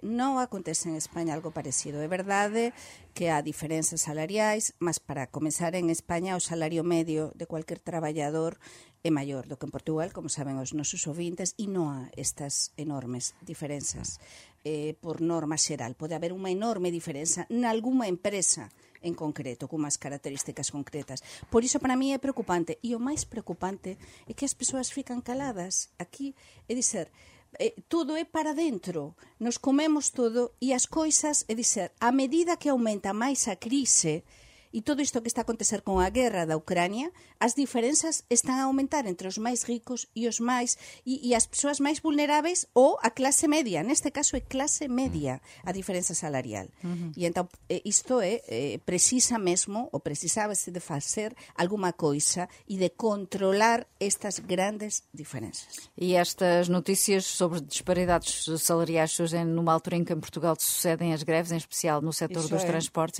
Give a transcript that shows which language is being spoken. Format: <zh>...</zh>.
<pt>Não acontece em Espanha algo parecido. É verdade que há diferenças salariais, mas para começar, em Espanha o salário médio de qualquer trabalhador é maior do que em Portugal, como sabem os nossos ouvintes, e não há estas enormes diferenças por norma geral. Pode haver uma enorme diferença em alguma</pt> <gl>empresa en concreto, con unhas características concretas. Por iso, para mí, é preocupante. E o máis preocupante é que as persoas fican caladas aquí e dizer, todo é para dentro, nos comemos todo e as coisas, é dizer, a medida que aumenta máis a crise e todo isto que está a acontecer con a guerra da Ucrania, as diferenzas están a aumentar entre os máis ricos e os máis e as persoas máis vulneráveis ou a clase media. Neste caso é clase media a diferenza salarial. E então isto é precisa mesmo, ou precisábase de facer alguma coisa e de controlar estas grandes diferenzas.</gl> <pt>E estas noticias sobre disparidades salariais surgem numa altura em que em Portugal sucedem as greves, em especial no setor dos transportes.</pt>